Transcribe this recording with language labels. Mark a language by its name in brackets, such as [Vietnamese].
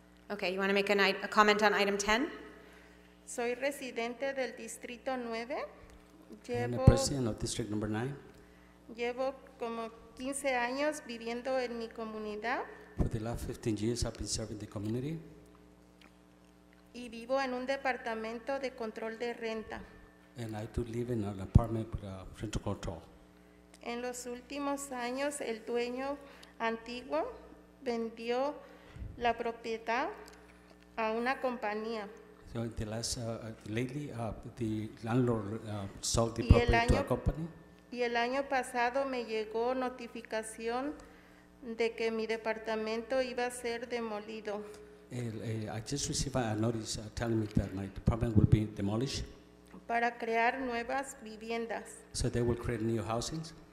[English] Okay, you want to make a comment on item 10? [Spanish] Soy residente del distrito 9. [English] I'm the president of District Number 9. [Spanish] Llevo como 15 años viviendo en mi comunidad. [English] For the last 15 years, I've been serving the community. [Spanish] Y vivo en un departamento de control de renta. [English] And I do live in an apartment with a rental control. [Spanish] En los últimos años, el dueño antiguo vendió la propiedad a una compañía. [English] So in the last, the landlord sold the property to a company. [Spanish] Y el año pasado me llegó notificación de que mi departamento iba a ser demolido. [English] I just received a notice telling me that my department will be demolished. [Spanish] Para crear nuevas viviendas. [English] So they will create new housings.